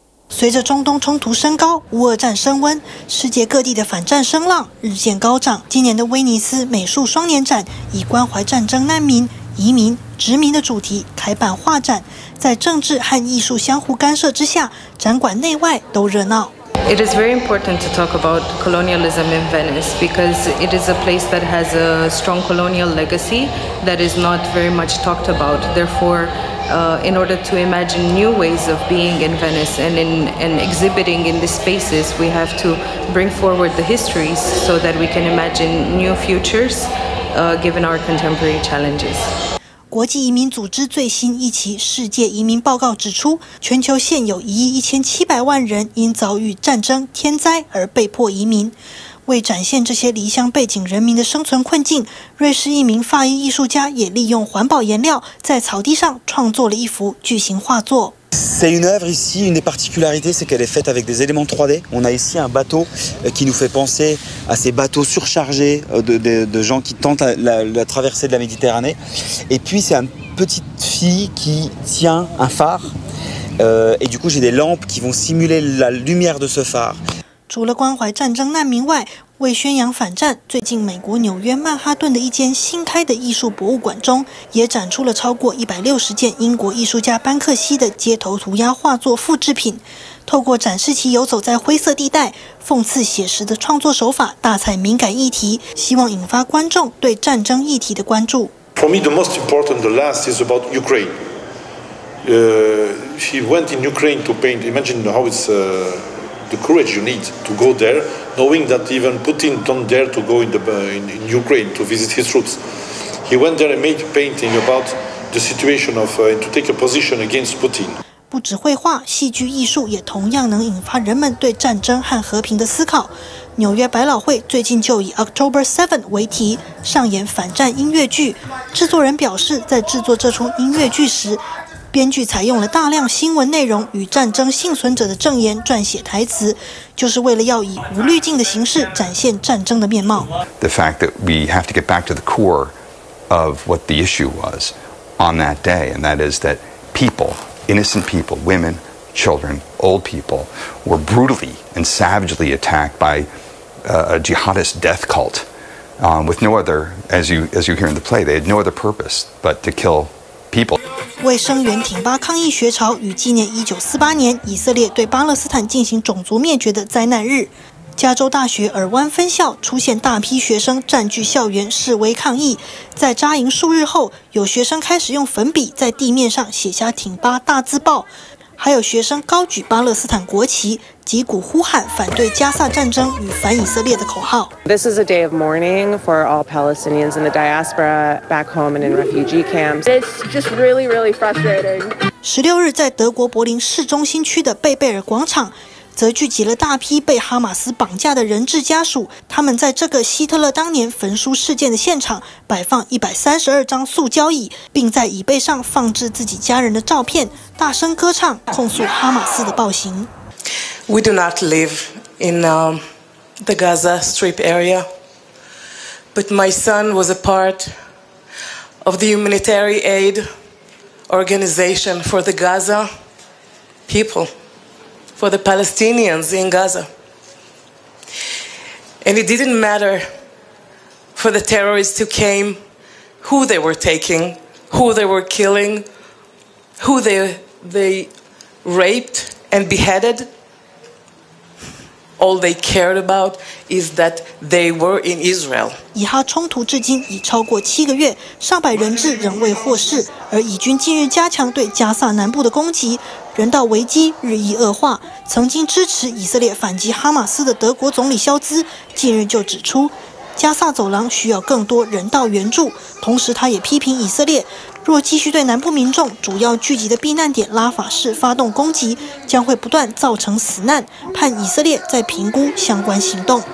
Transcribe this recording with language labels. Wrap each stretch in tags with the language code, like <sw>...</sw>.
<zh>随着中东冲突升高，乌俄战升温，世界各地的反战声浪日渐高涨。今年的威尼斯美术双年展以关怀战争难民、移民、殖民的主题开办画展，在政治和艺术相互干涉之下，展馆内外都热闹。</zh> <en>It is very important to talk about colonialism in Venice because it is a place that has a strong colonial legacy that is not very much talked about. Therefore, in order to imagine new ways of being in Venice and exhibiting in these spaces, we have to bring forward the histories so that we can imagine new futures, given our contemporary challenges.</en> <zh>国际移民组织最新一期世界移民报告指出，全球现有1亿1700万人因遭遇战争、天灾而被迫移民。为展现这些离乡背景人民的生存困境，瑞士一名法裔艺术家也利用环保颜料在草地上创作了一幅巨型画作。</zh> <fr>C'est une œuvre ici, une des particularités, c'est qu'elle est faite avec des éléments 3D. On a ici un bateau qui nous fait penser à ces bateaux surchargés de gens qui tentent la traversée de la Méditerranée. Et puis c'est une petite fille qui tient un phare. Et du coup, j'ai des lampes qui vont simuler la lumière de ce phare.</fr> <zh>除了关怀战争难民外，为宣扬反战，最近美国纽约曼哈顿的一间新开的艺术博物馆中，也展出了超过160件英国艺术家班克西的街头涂鸦画作复制品。透过展示其游走在灰色地带、讽刺写实的创作手法，大采敏感议题，希望引发观众对战争议题的关注。</zh> <en>For me, the most important, the last is about Ukraine. He went in Ukraine to paint. Imagine how it's the courage you need to go there, knowing that even Putin don't dare to go in Ukraine to visit his troops. He went there and made painting about the situation of to take a position against Putin.</en> <zh>不止绘画，戏剧艺术也同样能引发人们对战争和和平的思考。纽约百老汇最近就以 October 7 为题上演反战音乐剧。制作人表示，在制作这出音乐剧时，编剧采用了大量新闻内容与战争幸存者的证言撰写台词，就是为了要以无滤镜的形式展现战争的面貌。</zh> <en>The fact that we have to get back to the core of what the issue was on that day, and that is that people. Innocent people, women, children, old people, were brutally and savagely attacked by a jihadist death cult, with no other, as you hear in the play, they had no other purpose but to kill people.</en> <zh>为声援挺巴抗议学潮与纪念1948年以色列对巴勒斯坦进行种族灭绝的灾难日，加州大学尔湾分校出现大批学生占据校园示威抗议，在扎营数日后，有学生开始用粉笔在地面上写下挺巴大字报，还有学生高举巴勒斯坦国旗，击鼓呼喊反对加萨战争与反以色列的口号。</zh> <en>This is a day of mourning for all Palestinians in the diaspora back home and in refugee camps. It's just really, really frustrating.</en> <zh>16日在德国柏林市中心区的贝贝尔广场则聚集了大批被哈马斯绑架的人质家属，他们在这个希特勒当年焚书事件的现场摆放132张塑胶椅，并在椅背上放置自己家人的照片，大声歌唱，控诉哈马斯的暴行。</zh> <en>We do not live in the Gaza Strip area, but my son was a part of the humanitarian aid organization for the Gaza people. For the Palestinians in Gaza. And it didn't matter for the terrorists who came, who they were taking, who they were killing, who they raped and beheaded. All they cared about is that they were in Israel.</en> <zh>以哈冲突至今已超过7个月，上百人质仍未获释，而以军近日加强对加萨南部的攻击。人道危机日益恶化，曾经支持以色列反击哈马斯的德国总理肖兹近日就指出，加萨走廊需要更多人道援助，同时他也批评以色列，若继续对南部民众主要聚集的避难点拉法市发动攻击，将会不断造成死难，盼以色列再评估相关行动。</zh>